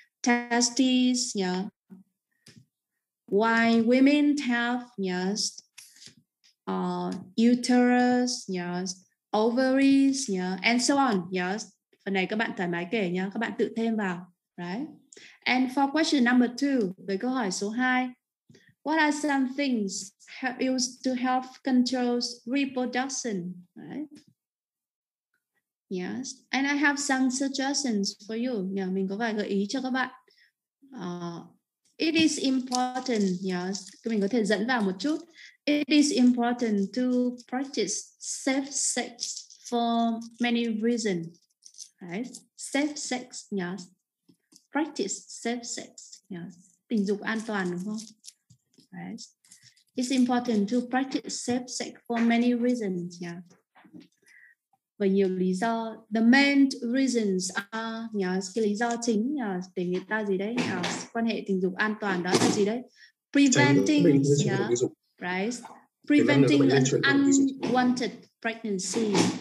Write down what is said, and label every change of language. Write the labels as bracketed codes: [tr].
[en] Testes, yeah. Why women have, yes. Uterus, yes. Ovaries, yeah. And so on, yes. [vi] Phần này các bạn thoải mái kể nhé, các bạn tự thêm vào, right. [en] And for question number two, [vi] về câu hỏi số 2. [en] What are some things used to help control reproduction? Right? Yes, and I have some suggestions for you. [vi] Yeah, mình có vài gợi ý cho các bạn. [en] It is important. [vi] Yes, mình có thể dẫn vào một chút. [en] It is important to practice safe sex for many reasons. Right? Safe sex. Yes. Practice safe sex. Yes. [vi] Tình dục an toàn, đúng không? [en] Right. It's important to practice safe sex for many reasons. [vi] Yeah. Và nhiều lý do. [en] The main reasons are, [vi] yes, cái lý do chính, yes, để người ta gì đấy, yes, quan hệ tình dục an toàn đó là gì đấy? [en] Preventing, yeah, right. Preventing an unwanted pregnancy.